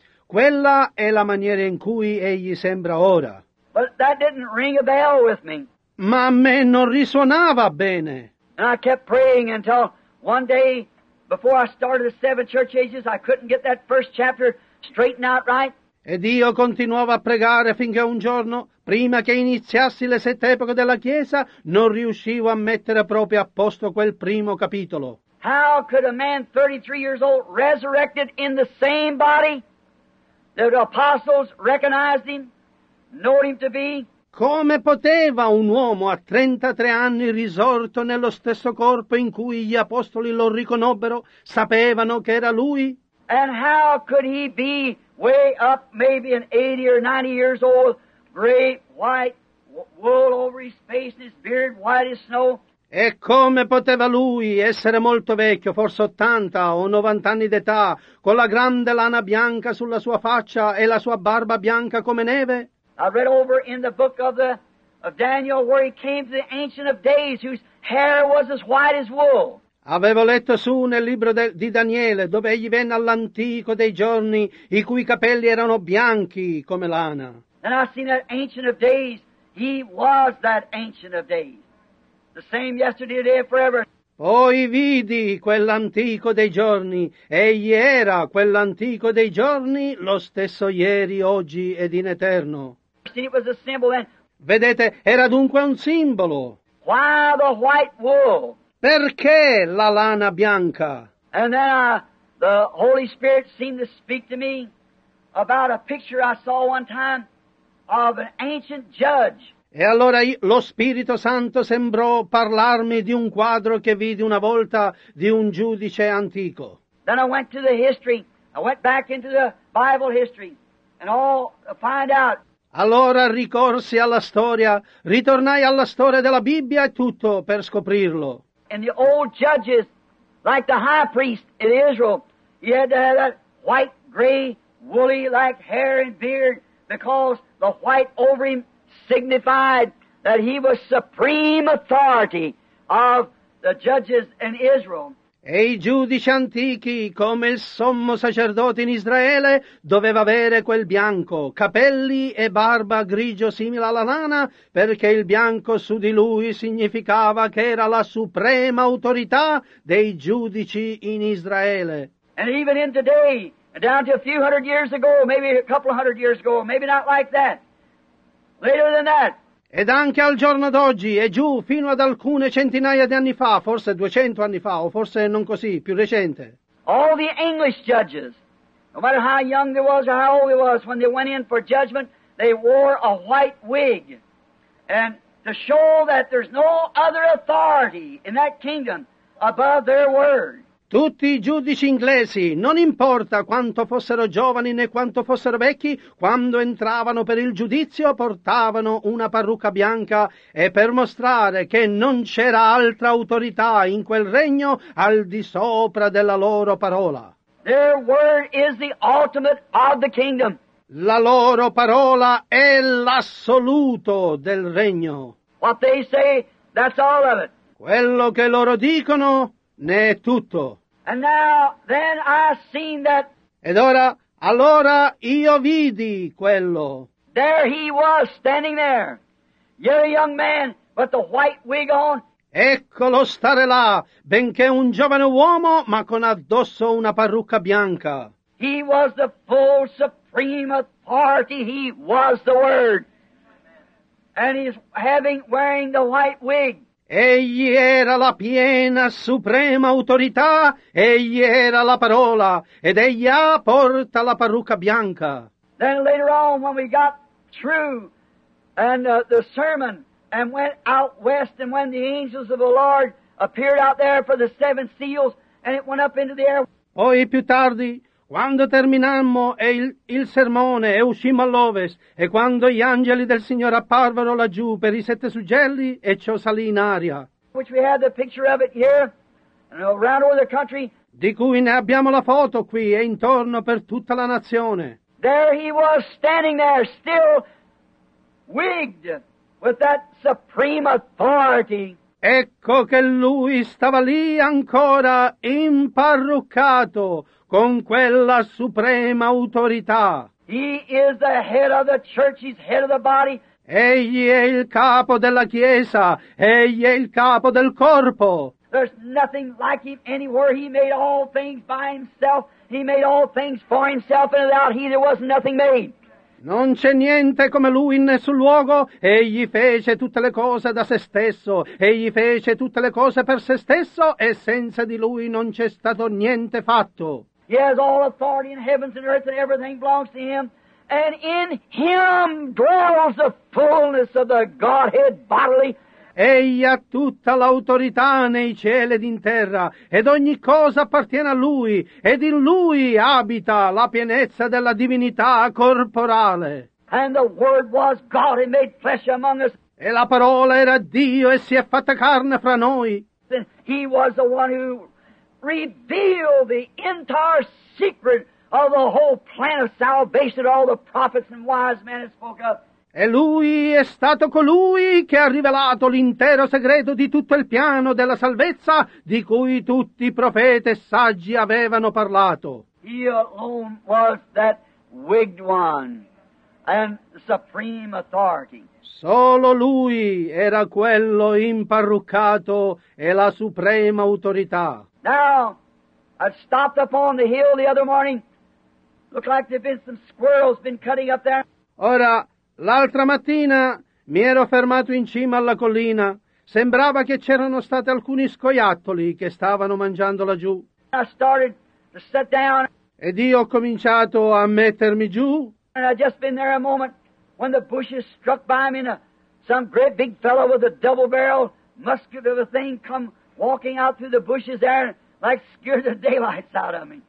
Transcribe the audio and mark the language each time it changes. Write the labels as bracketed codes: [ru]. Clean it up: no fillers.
[it] Quella è la maniera in cui egli sembra ora. [en] But that didn't ring a bell with me. [it] Ma a me non risuonava bene. [en] And I kept praying until one day, before I started the seven church ages, I couldn't get that first chapter straightened out right. [it] Ed io continuavo a pregare finché un giorno, prima che iniziassi le sette epoche della Chiesa, non riuscivo a mettere proprio a posto quel primo capitolo. [en] How could a man 33 years old resurrected in the same body that the apostles recognized him, knew him to be? [it] Come poteva un uomo a 33 anni risorto nello stesso corpo in cui gli apostoli lo riconobbero, sapevano che era lui? [en] And how could he be way up maybe in 80 or 90 years old, great white wool over his face and his beard white as snow? [it] E come poteva lui essere molto vecchio, forse 80 o 90 anni d'età, con la grande lana bianca sulla sua faccia e la sua barba bianca come neve? [en] I read over in the book of Daniel where he came to the Ancient of Days whose hair was as white as wool. [it] Avevo letto su nel libro di Daniele, dove egli venne all'antico dei giorni, i cui capelli erano bianchi come lana. [en] And I seen that Ancient of Days. He was that Ancient of Days. The same yesterday, today, forever. [it] Poi vidi quell'antico dei giorni. Egli era quell'antico dei giorni, lo stesso ieri, oggi ed in eterno. [en] It was a symbol then. [it] Vedete, era dunque un simbolo. [en] Why the white wool? [it] Perché la lana bianca? [en] And then the Holy Spirit seemed to speak to me about a picture I saw one time of an ancient judge. [it] E allora lo Spirito Santo sembrò parlarmi di un quadro che vidi una volta di un giudice antico. [en] Then I went to the history. I went back into the Bible history and all to find out. [it] Allora ricorsi alla storia, ritornai alla storia della Bibbia e tutto per scoprirlo. [en] And the old judges, like the high priest in Israel, he had to have that white, gray, woolly like hair and beard, because the white over him signified that he was supreme authority of the judges in Israel. [it] E i giudici antichi, come il sommo sacerdote in Israele, doveva avere quel bianco, capelli e barba grigio simile alla lana, perché il bianco su di lui significava che era la suprema autorità dei giudici in Israele. [en] And even in today, down to a few hundred years ago, maybe a couple of hundred years ago, maybe not like that, later than that. [it] Ed anche al giorno d'oggi, e giù fino ad alcune centinaia di anni fa, forse 200 anni fa, o forse non così, più recente. [en] All the English judges, no matter how young they was or how old they was, when they went in for judgment, they wore a white wig. And to show that there's no other authority in that kingdom above their word. [it] Tutti i giudici inglesi, non importa quanto fossero giovani né quanto fossero vecchi, quando entravano per il giudizio portavano una parrucca bianca e per mostrare che non c'era altra autorità in quel regno al di sopra della loro parola. [en] Their word is the ultimate of the kingdom. [it] La loro parola è l'assoluto del regno. [en] What they say, that's all of it. [it] Quello che loro dicono... ne è tutto. [en] And now, then I seen that. [it] Ed ora, allora io vidi quello. [en] There he was standing there. You're a young man, but the white wig on. [it] Eccolo stare là, benché un giovane uomo, ma con addosso una parrucca bianca. [en] He was the full supreme authority. He was the Word. And he's wearing the white wig. [it] Egli era la piena suprema autorità, egli era la parola, ed egli ha porta la parrucca bianca. [en] Then later on, when we got through and the sermon and went out west, and when the angels of the Lord appeared out there for the seven seals and it went up into the air. [it] Poi più tardi, quando terminammo il sermone e uscimmo all'ovest, e quando gli angeli del Signore apparvero laggiù per i sette suggelli, e ciò salì in aria. [en] Which we have the picture of it here, and around over the country. [it] Di cui ne abbiamo la foto qui e intorno per tutta la nazione. [en] There he was standing there, still wigged with that supreme authority. [it] Ecco che lui stava lì ancora imparruccato. Con quella suprema autorità. [en] He is the head of the church, he's head of the body. [it] Egli è il capo della chiesa, egli è il capo del corpo. [en] There's nothing like him anywhere. He made all things by himself. He made all things for himself and without he there was nothing made. [it] Non c'è niente come lui in nessun luogo. Egli fece tutte le cose da se stesso. Egli fece tutte le cose per se stesso e senza di lui non c'è stato niente fatto. [en] He has all authority in heavens and earth and everything belongs to him. And in him dwells the fullness of the Godhead bodily. [it] Egli ha tutta l'autorità nei cieli ed in terra, ed ogni cosa appartiene a lui, ed in lui abita la pienezza della divinità corporale. [en] And the Word was God and made flesh among us. [it] E la parola era Dio e si è fatta carne fra noi. [en] And he was the one who revealed the entire secret of the whole plan of salvation, all the prophets and wise men spoke of. [it] E lui è stato colui che ha rivelato l'intero segreto di tutto il piano della salvezza di cui tutti i profeti e saggi avevano parlato. [en] He alone was that wigged one and supreme authority. [it] Solo lui era quello imparruccato e la suprema autorità. [en] Now, I stopped up on the hill the other morning. Looked like there'd been some squirrels been cutting up there. [it] Ora, l'altra mattina mi ero fermato in cima alla collina. Sembrava che c'erano stati alcuni scoiattoli che stavano mangiando laggiù. [en] I started to sit down. [it] Ed io ho cominciato a mettermi giù. [en] And I'd just been there a moment when the bushes struck by me and some great big fellow with a double barrel muscular thing come walking out through the bushes there. Like scared the daylights out of me.